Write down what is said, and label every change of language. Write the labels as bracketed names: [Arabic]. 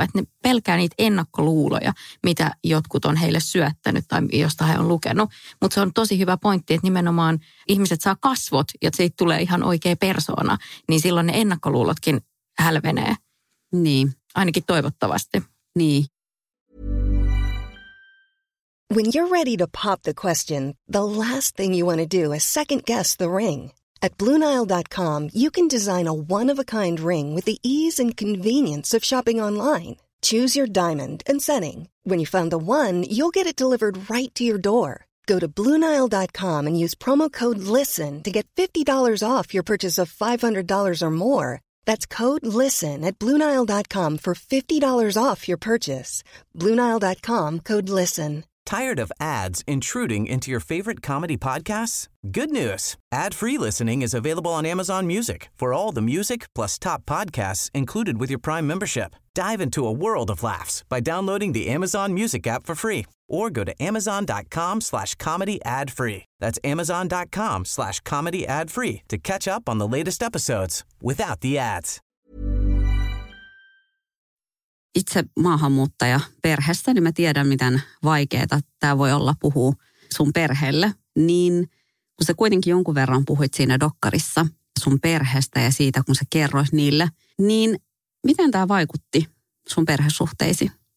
[Finnish] Että ne pelkää niitä ennakkoluuloja, mitä jotkut on heille syöttänyt tai josta he on lukenut. Mutta se on tosi hyvä pointti, että nimenomaan ihmiset saa kasvot ja siitä tulee ihan oikea persoona. Niin silloin ne ennakkoluulotkin hälvenee. Niin. Ainakin toivottavasti. Niin. [English] When you're ready to pop the question, the last thing you want to do is second-guess the ring. At BlueNile.com, you can design a one-of-a-kind ring with the ease and convenience of shopping online. Choose your diamond and setting. When you find the one, you'll get it delivered right to your door. Go to BlueNile.com and use promo code LISTEN to get $50 off your purchase of $500 or more. That's code LISTEN at BlueNile.com for $50 off your purchase. BlueNile.com, code LISTEN. Tired of ads intruding into your favorite comedy podcasts? Good news! Ad-free listening is available on Amazon Music for all the music plus top podcasts included with your Prime membership. Dive into a world of laughs by downloading the Amazon Music app for free or go to amazon.com/comedyadfree. That's amazon.com/comedyadfree to catch up on the latest episodes without the ads. [Finnish] Itse maahanmuuttaja perheestä, niin mä tiedän, miten vaikeaa tämä voi olla puhua sun perheelle. Niin kun sä kuitenkin jonkun verran puhuit siinä dokkarissa sun perheestä ja siitä, kun sä kerroit niille, niin miten tämä vaikutti sun perhesuhteisi?